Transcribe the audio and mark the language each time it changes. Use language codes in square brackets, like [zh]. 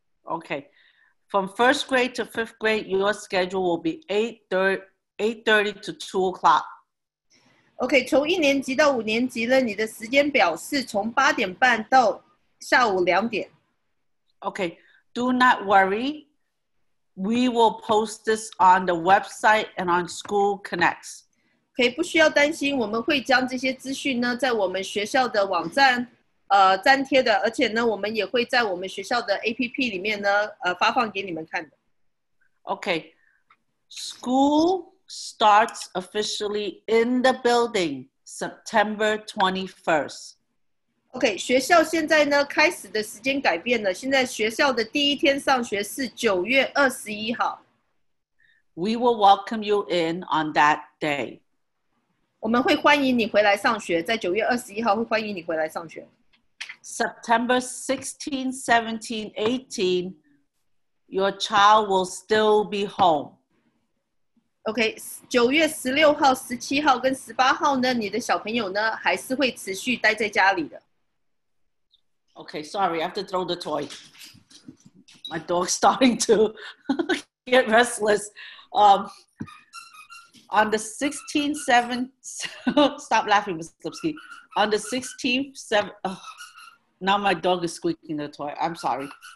[en] Okay, from first grade to fifth grade, your schedule will be 8:30 to 2:00. [zh] Okay, 从一年级到五年级呢，你的时间表是从8:30到下午2:00. [en] Okay, do not worry. We will post this on the website and on School Connects. [zh] Okay, 不需要担心，我们会将这些资讯呢，在我们学校的网站，粘贴的，而且呢，我们也会在我们学校的 APP 里面呢，发放给你们看的。 [en] Okay, school starts officially in the building September 21st. [zh] Okay, 学校现在呢开始的时间改变了。现在学校的第一天上学是9月21号。 [en] We will welcome you in on that day. [zh] 我们会欢迎你回来上学，在9月21号会欢迎你回来上学。 [en] September 16, 17, 18, your child will still be home. [zh] Okay, 9月16号, 17号, 跟18号呢, 你的小朋友呢, 还是会持续待在家里的。 [en] Okay, sorry, I have to throw the toy. My dog's starting to get restless. On the 16th, 7th, stop laughing, Ms. Lipsky. On the 16th, 7th, now my dog is squeaking the toy. I'm sorry.